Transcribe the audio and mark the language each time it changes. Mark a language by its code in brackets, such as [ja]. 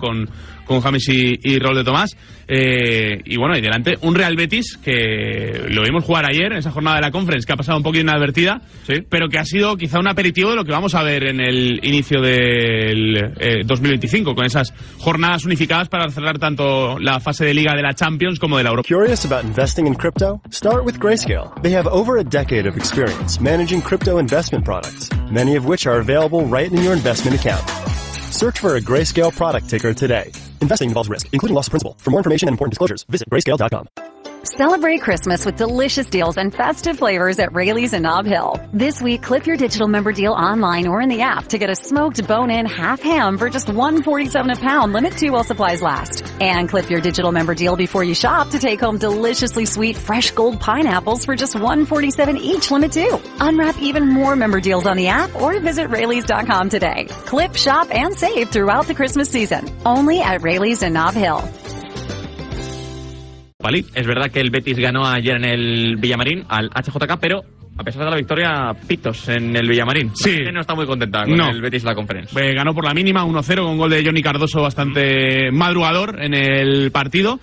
[es] Con James y Raúl de Tomás. Y delante un Real Betis que lo vimos jugar ayer en esa jornada de la Conference, que ha pasado un poquito inadvertida, pero que ha sido quizá un aperitivo de lo que vamos a ver en el inicio del 2025, con esas jornadas unificadas para cerrar tanto la fase de Liga de la Champions como de la Europa. [en] Curious about investing in crypto? Start with Grayscale. They have over a decade of experience managing crypto investment products, many of which are available right in your investment account. Search for a Grayscale product ticker today. Investing involves risk, including loss of principal. For more information and important disclosures, visit grayscale.com. Celebrate Christmas with delicious deals and festive flavors at Raley's in Nob Hill. This week, clip your digital member deal online or in the app to get a smoked bone-in half ham for just $1.47 a pound, limit 2 while supplies last. And clip your digital member deal before you shop to take home deliciously sweet fresh gold pineapples for just $1.47 each, limit 2. Unwrap even more member deals on the app or visit Raley's.com today. Clip, shop, and save throughout the Christmas season. Only at Raley's in Nob Hill. [es] Es verdad que el Betis ganó ayer en el Villamarín al HJK, pero a pesar de la victoria, pitos en el Villamarín. Sí. La gente no está muy contenta con el Betis la Conference. Ganó por la mínima 1-0 con un gol de Johnny Cardoso bastante madrugador en el partido.